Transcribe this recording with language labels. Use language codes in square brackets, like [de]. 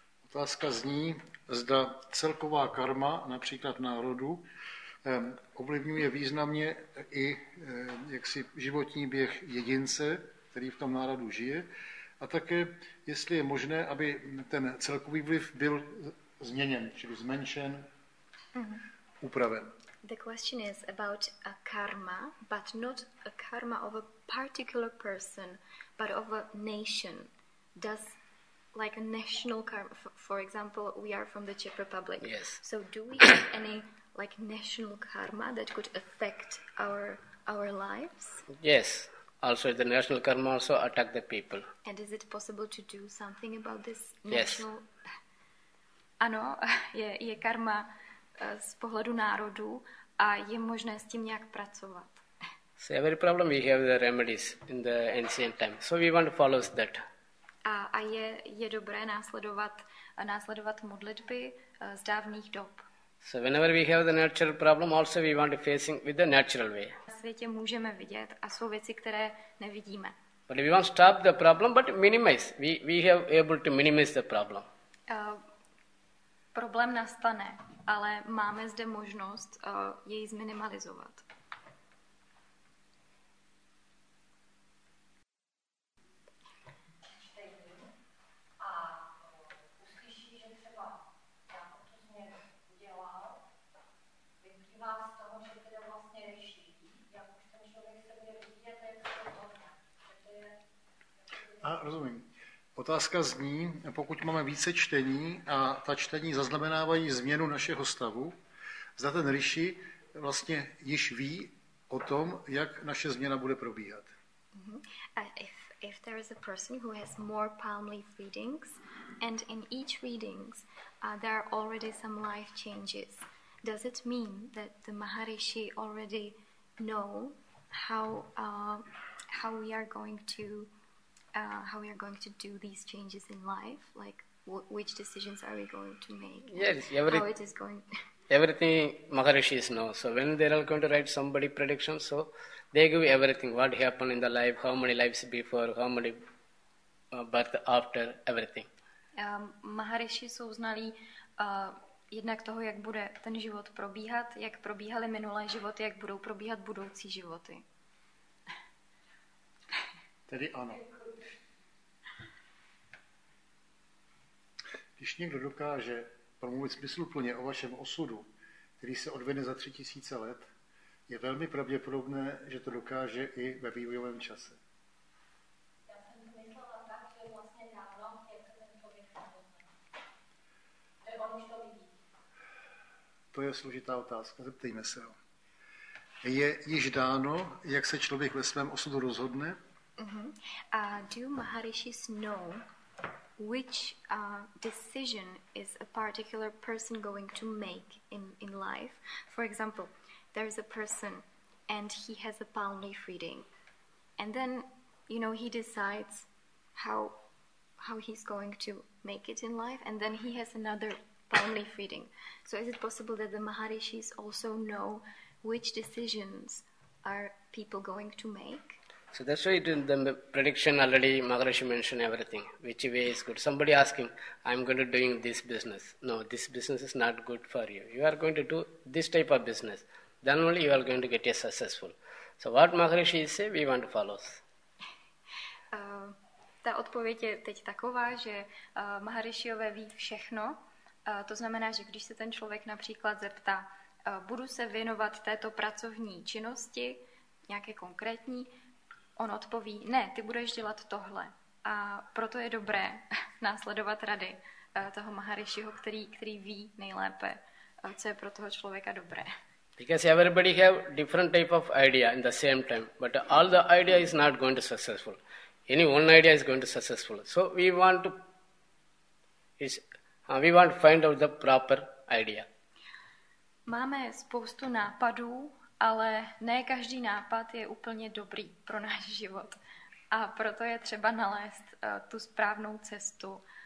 [cs] Otázka zní, zda celková karma například národu ovlivňuje významně i jaksi životní běh jedince, který v tom národu žije, a také, jestli je možné, aby ten celkový vliv byl změněn, čili zmenšen, upraven. [en] The question is about a karma, but not a karma of a particular person, but of a nation. Does like a national karma, for example, we are from the Czech Republic. Yes. So do we have any like national karma that could affect our lives? Yes. Also, the national karma also attack the people. And is it possible to do something about this national? Yes. [cs] Ano, je karma z pohledu národu a je možné s tím nějak pracovat. [en] So every problem we have the remedies in the ancient time. So we want to follow that. [cs] A je dobré následovat modlitby z dávných dob. [en] So whenever we have the natural problem, also we want to facing with the natural way. [cs] Na světě můžeme vidět a jsou věci, které nevidíme. [en] But we want to stop the problem, but minimize. We have able to minimize the problem. [cs] Problém nastane, ale máme zde možnost jej zminimalizovat. A rozumím. Otázka zní, pokud máme více čtení a ta čtení zaznamenávají změnu našeho stavu, zda ten ryši vlastně již ví o tom, jak naše změna bude probíhat. [en] If there is a person who has more palm leaf readings and in each readings there are already some life changes, does it mean that the Maharishi already know how we are going to do these changes in life, like which decisions are we going to make? Yes, everything Maharishis know. So when they are going to write somebody predictions, so they give everything, what happened in the life, how many lives before, how many birth after, everything. [cs] Maharishi jsou znalí jednak toho, jak bude ten život probíhat, jak probíhaly minulé životy, jak budou probíhat budoucí životy. Tedy ano. Když někdo dokáže promluvit smysluplně o vašem osudu, který se odvine za 3000 let, je velmi pravděpodobné, že to dokáže i ve vývojovém čase. Já jsem myslela tak, že vlastně dávno, jak se ten člověk napozná. Nebo už to vidí? To je složitá otázka, zeptejme se ho. Je již dáno, jak se člověk ve svém osudu rozhodne? [en] A do Maharishis know which decision is a particular person going to make in life? For example, there is a person and he has a palm leaf reading, and then you know he decides how he's going to make it in life, and then he has another palm leaf reading. So is it possible that the Maharishis also know which decisions are people going to make? So that's why the prediction already Maharishi mentioned everything, which way is good. Somebody ask him, I'm going to doing this business. No, this business is not good for you. You are going to do this type of business. Then only you are going to get a successful. So what Maharishi say, we want to follow. [cs] Ta odpověď je teď taková, že Maharishiové ví všechno. To znamená, že když se ten člověk například zeptá, budu se věnovat této pracovní činnosti, nějaké konkrétní, on odpoví, ne, ty budeš dělat tohle. A proto je dobré následovat rady toho Maharishiho, který ví nejlépe, co je pro toho člověka dobré. [en] Because everybody have different type of idea in the same time, but all the idea is not going to successful. Any one idea is going to successful. So we want to find out the proper idea. [cs] Máme spoustu nápadů, ale ne každý nápad je úplně dobrý pro náš život. A proto je třeba nalézt tu správnou cestu.